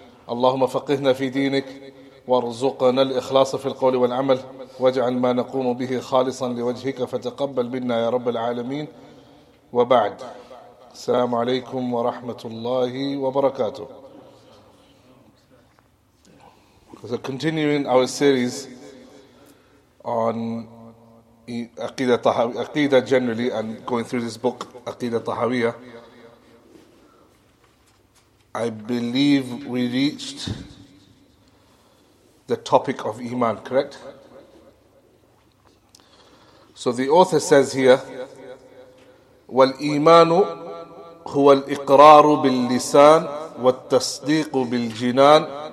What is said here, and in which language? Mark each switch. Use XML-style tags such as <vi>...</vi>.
<ar>اللهم فقهنا في دينك وارزقنا الإخلاص في القول والعمل واجعل ما نقوم به خالصا لوجهك فتقبل منا يا رب العالمين. وبعد، السلام عليكم ورحمة الله وبركاته.</ar> <en>So continuing our series on Aqeedah generally and going through this book, Aqeedah Tahawiyah, I believe we reached the topic of Iman, correct? So the author says here,</en> <ar>والإيمان هو الإقرار باللسان والتصديق بالجنان.</ar>